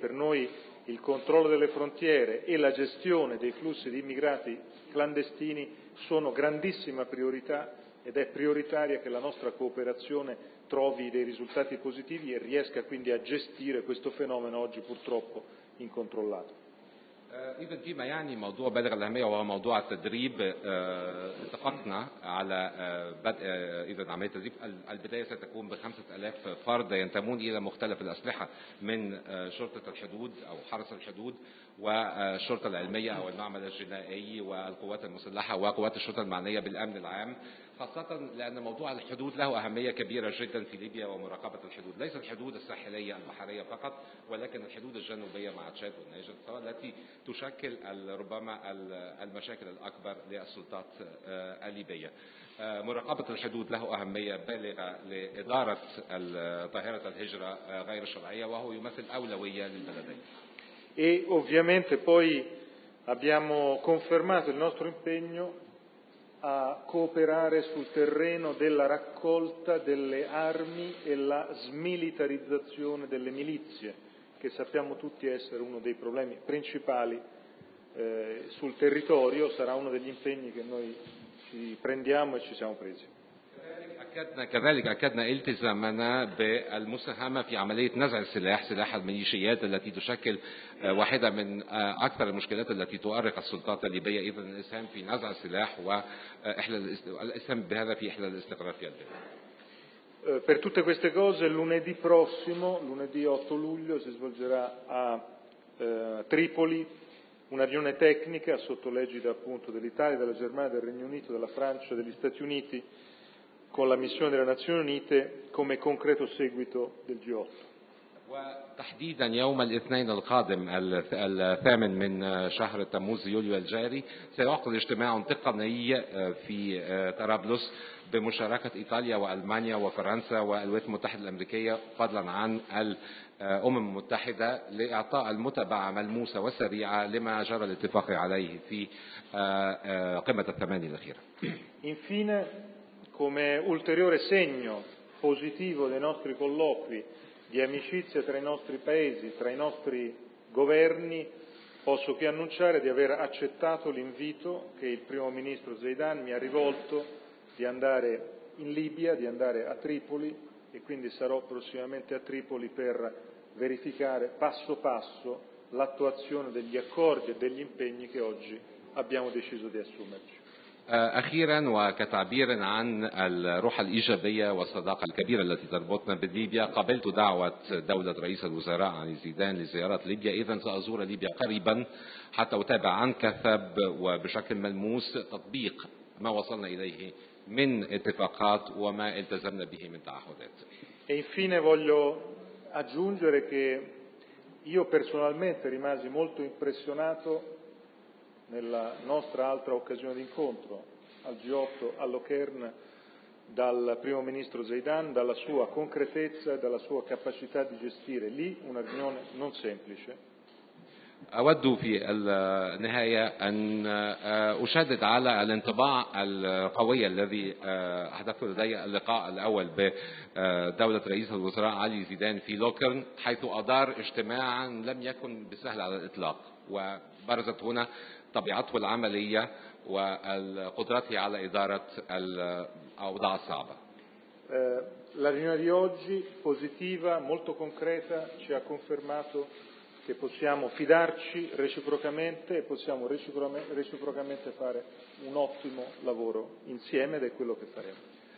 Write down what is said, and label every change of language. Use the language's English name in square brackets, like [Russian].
[Italian] Per noi il controllo delle frontiere e la gestione dei flussi di immigrati clandestini sono grandissima priorità ed è prioritaria che la nostra cooperazione trovi dei risultati positivi e riesca quindi a gestire questo fenomeno oggi purtroppo incontrollato. Even fima yani [Arabic] موضوع بلغ الأهمية وهو موضوع التدريب اتفقنا على بدء إذا عملية التدريب البداية ستكون بخمسة آلاف فرد ينتمون إلى مختلف الأسلحة من شرطة الحدود أو حرس الحدود والشرطة العلمية أو المعمل الجنائي والقوات المسلحة وقوات الشرطة المعنية بالأمن العام خاصة لأن موضوع الحدود له أهمية كبيرة جدا في ليبيا ومراقبة الحدود ليس الحدود الساحلية البحرية فقط ولكن الحدود الجنوبية مع تشاد والنيجر التي تشكل ربما المشاكل الأكبر للسلطات الليبية. مراقبة الحدود له أهمية بالغة لإدارة ظاهرة الهجرة غير الشرعية وهو يمثل أولوية للبلدين. [Italian] E ovviamente poi abbiamo confermato il nostro impegno a cooperare sul terreno della raccolta delle armi e la smilitarizzazione delle milizie, che sappiamo tutti essere uno dei problemi principali sul territorio, sarà uno degli impegni che noi ci prendiamo e ci siamo presi. [Arabic] كذلك أكدنا التزامنا بالمساهمة في عملية نزع السلاح سلاح الميليشيات التي تشكل واحدة من أكثر المشكلات التي تؤرق السلطات الليبية أيضا الإسهام في نزع السلاح والإسهام بهذا في إحلال الاستقرار في الدولة. [Italian] Per tutte queste cose lunedì prossimo, lunedì 8 luglio, si svolgerà a Tripoli una riunione tecnica sotto l'egida appunto dell'Italia, della Germania, del Regno Unito, della Francia, degli Stati Uniti con la missione delle Nazioni Unite come concreto seguito del G8. [Arabic] وتحديدا يوم الاثنين القادم الثامن من شهر تموز يوليو الجاري سيعقد اجتماع تقني في طرابلس بمشاركة إيطاليا وألمانيا وفرنسا والولايات المتحدة الأمريكية فضلا عن الأمم المتحدة لإعطاء المتابعة ملموسة وسريعة لما جرى الاتفاق عليه في قمة الثمانية الأخيرة. [Italian] Infine come ulteriore segno positivo dei nostri colloqui di amicizia tra i nostri paesi, tra i nostri governi, posso qui annunciare di aver accettato l'invito che il primo ministro Zeidan mi ha rivolto di andare in Libia, di andare a Tripoli e quindi sarò prossimamente a Tripoli per verificare passo passo l'attuazione degli accordi e degli impegni che oggi abbiamo deciso di assumerci. [Arabic] أخيرا وكتعبير عن الروح الإيجابية والصداقة الكبيرة التي تربطنا بليبيا قبلت دعوة دولة رئيس الوزراء علي زيدان لزيارة ليبيا إذن سأزور ليبيا قريبا حتى أتابع عن كثب وبشكل ملموس تطبيق ما وصلنا إليه من اتفاقات وما التزمنا به من تعهدات. [Italian] E infine voglio aggiungere che io personalmente rimasi molto impressionato nella nostra altra occasione di incontro al G8 a Locarno dal primo ministro Zeidan, dalla sua concretezza, dalla sua capacità di gestire lì una riunione non semplice. [Arabic] أود في النهاية أن أشدد على الانطباع القوي الذي حدث لدي اللقاء الأول بدولة رئيس الوزراء علي زيدان في لوكرن، حيث أدار اجتماعا لم يكن بسهل على الإطلاق، وبرزت هنا طبيعته العملية وقدرته على إدارة الأوضاع الصعبة. [Italian] La riunione di oggi positiva, molto concreta, ci ha confermato che possiamo fidarci reciprocamente e possiamo reciprocamente fare un ottimo lavoro insieme ed è quello che faremo.